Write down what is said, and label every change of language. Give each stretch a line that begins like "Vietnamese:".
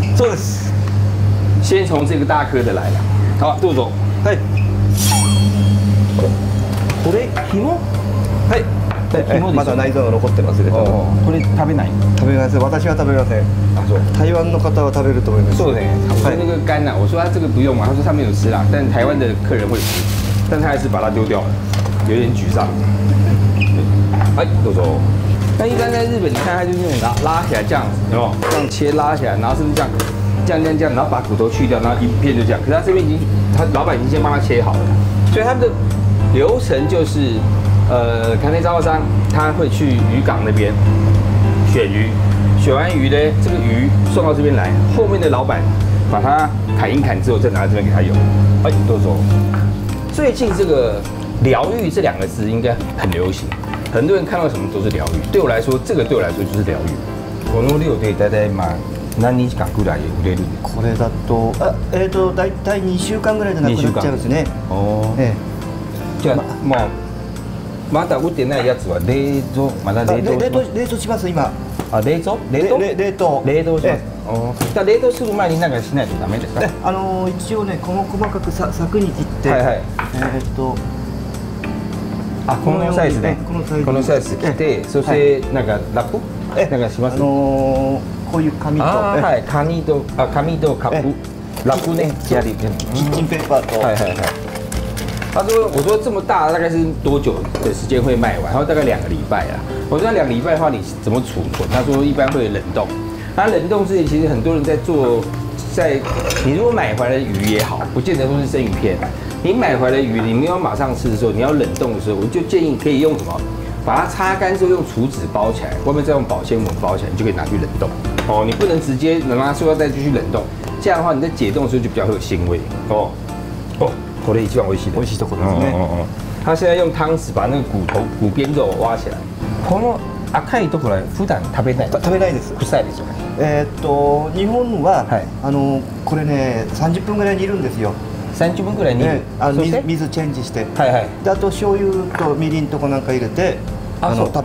Japanese: そうです。
Chinese: 先从这个大颗的来了。好，
Japanese: どうぞ。はい。これ肝？はい。まだ内臓が残ってますけど、これ食べない？食べません。私は食べません。あ、そう。台湾の方は食べると思います。そうね。はい。この肝
Chinese: 呐，我说他这个不用嘛，他说上面有吃啦，但台湾的客人会吃，但他还是把它丢掉了，有点沮丧。哎，豆豆。那一般在日本，你看他就是用拉起来这样子，有没有？这样切拉起来，然后是不是这样？这样，然后把骨头去掉，然后一片就这样。可是他这边已经，他老板已经先帮他切好了，所以他们的流程就是。看那招货商，他会去渔港那边选鱼，选完鱼呢，这个鱼送到这边来，后面的老板把它砍一砍之后，再拿到这边给他用。哎，多说，最近这个“疗愈”这两个字应该很流行，很多人看到什么都是疗愈。对我来说，这个对我来说就是疗愈。
Japanese: この量でだいたいまあ何日間ぐらい売れる？これだと、だいたい2週間ぐらいでなくなっちゃうんですね。おお。じゃあ、まあ。まだ売ってないやつは冷蔵まだ冷凍します今。あ冷蔵冷凍します。だ冷凍する前に何かしないとダメですか？一応ね細かくサクに切って。はいはい。あこのサイズね。このサイズ切って、そしてなんかラップなんかします。こういう紙と。あはい紙とあ紙とカップラップねキッチンペーパーと。はいはいはい。
Chinese: 他说：“我说这么大，大概是多久的时间会卖完？”他说：“大概两个礼拜啊。” 我说：“两个礼拜的话，你怎么储存？” 他说：“一般会冷冻。” 那冷冻之前，其实很多人在做，在你如果买回来的鱼也好，不见得都是生鱼片。你买回来的鱼，你没有马上吃的时候，你要冷冻的时候，我就建议可以用什么，把它擦干之后用厨纸包起来，外面再用保鲜膜包起来，你就可以拿去冷冻。哦，你不能直接拿塑料袋就去冷冻，这样的话你在解冻的时候就比较会有腥味。
Japanese: 哦。これ一番美味しい美味しいところですね。
Chinese: 他现在用汤匙把那个骨边肉挖起来。
Japanese: この赤いところは普段食べない。食べないです。臭いですよね。日本は、はい、これね30分ぐらい煮るんですよ。 30分ぐらい煮る。ね、水チェンジして。はいはい。あと醤油とみりんとかなんか入れて。そう。